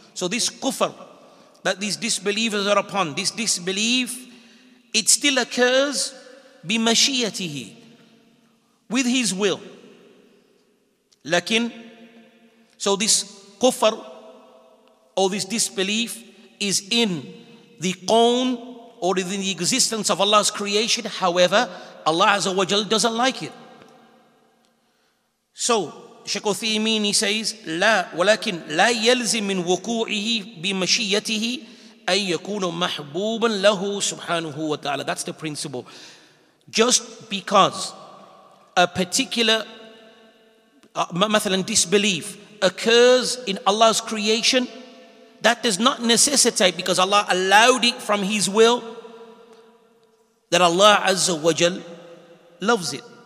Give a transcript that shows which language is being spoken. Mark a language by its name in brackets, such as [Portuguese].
[English] So this kufr that these disbelievers are upon, this disbelief, it still occurs بِمَشِيَّتِهِ, with His will. لَكِن, so this kufr or this disbelief is in the qawn or in the existence of Allah's creation. However, Allah Azza wa Jal doesn't like it. So, Shaykh Uthaymeen, he says, [Arabic] لا ولكن لا يلزم من وقوعه بمشيئته أن يكون محبوبا له سبحانه وتعالى. [English] That's the principle. Just because a particular, مثلا disbelief occurs in Allah's creation, that does not necessitate, because Allah allowed it from His will, that Allah Azza wa Jal loves it.